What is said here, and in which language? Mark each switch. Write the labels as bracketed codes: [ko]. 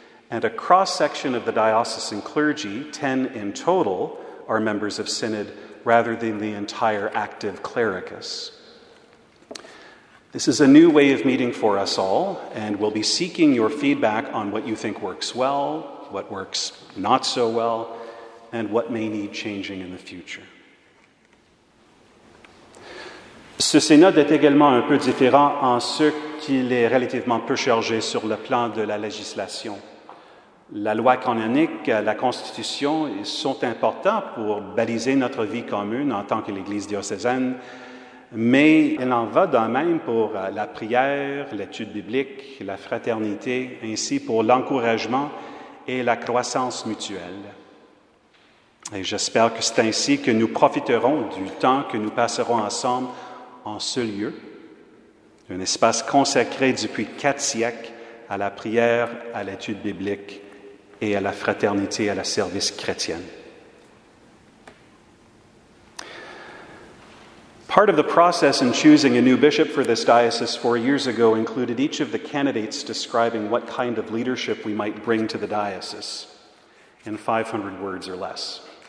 [en] And a cross-section of the diocesan clergy, 10 in total, are members of synod rather than the entire active clericus. This is a new way of meeting for us all, and we'll be seeking your feedback on what you think works well, what works not so well, and what may need changing in the future. [fr] Ce synode est également un peu différent en ce qu'il est relativement peu chargé sur le plan de la législation. La loi canonique, la Constitution sont importants pour baliser notre vie commune en tant que l'Église diocésaine, mais il en va de même pour la prière, l'étude biblique, la fraternité, ainsi pour l'encouragement et la croissance mutuelle. Et j'espère que c'est ainsi que nous profiterons du temps que nous passerons ensemble en ce lieu, un espace consacré depuis 4 siècles à la prière, à l'étude biblique et à la fraternité, à la service chrétienne. [en] Part of the process in choosing a new bishop for this diocese 4 years ago included each of the candidates describing what kind of leadership we might bring to the diocese in 500 words or less.